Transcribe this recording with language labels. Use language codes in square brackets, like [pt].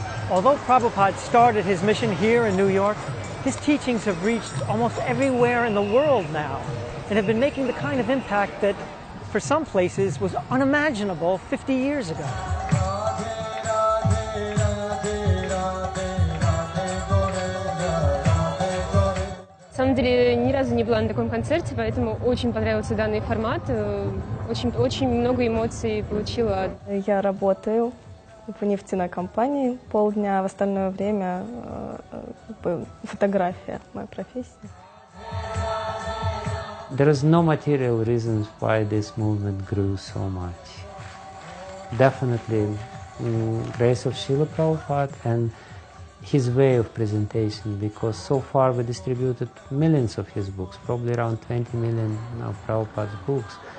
[en] Although Prabhupada started his mission here in New York, his teachings have reached almost everywhere in the world now and have been making the kind of impact that, for some places, was unimaginable 50 years ago. [ru] На самом деле, ни разу не была на таком концерте, поэтому очень понравился данный формат. Очень, очень много эмоций получила. Я работаю в нефтяной компании полдня, а в остальное время фотография – моя профессия. [en] There is no material reasons why this movement grew so much. Definitely, grace of Srila Prabhupada and his way of presentation, because so far we distributed millions of his books, probably around 20 million of Prabhupada's books.